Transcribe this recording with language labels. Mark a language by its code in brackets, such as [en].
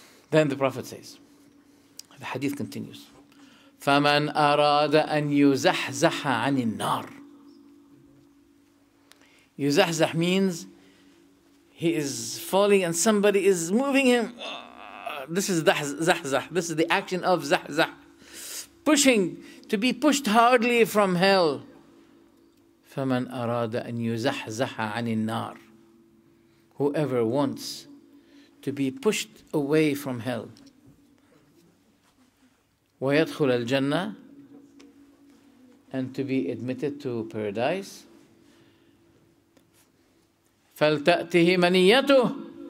[en] Then the Prophet says, the hadith continues, [ar] فَمَنْ أَرَادَ أَنْ يُزَحْزَحَ عَنِ النَّارِ. [en] يُزَحْزَح means he is falling and somebody is moving him. This is زحزح. This is the action of زحزح. Pushing, to be pushed hardly from hell. [ar] فَمَنْ أَرَادَ أَنْ يُزَحْزَحَ عَنِ النَّارِ. [en] Whoever wants to be pushed away from hell. [ar] وَيَدْخُلَ الْجَنَّةِ. [en] And to be admitted to paradise. [ar] فَلْتَأْتِهِ مَنِيَّتُهِ.